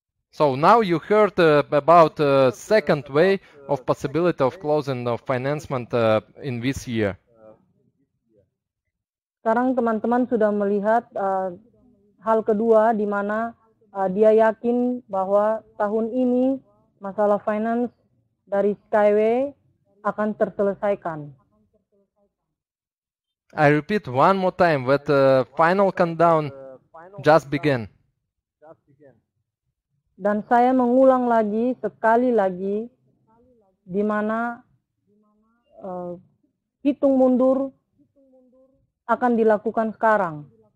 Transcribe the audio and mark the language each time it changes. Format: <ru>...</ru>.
<en>So now you heard about the second way of possibility of closing of financement in this year.</en> <id>Sekarang teman-teman sudah melihat hal kedua di mana dia yakin bahwa tahun ini masalah finance dari Skyway akan terselesaikan.</id> <en>I repeat one more time that the final countdown just began.</en> <id>Dan saya mengulang lagi sekali lagi di mana hitung mundur akan dilakukan sekarang.</id>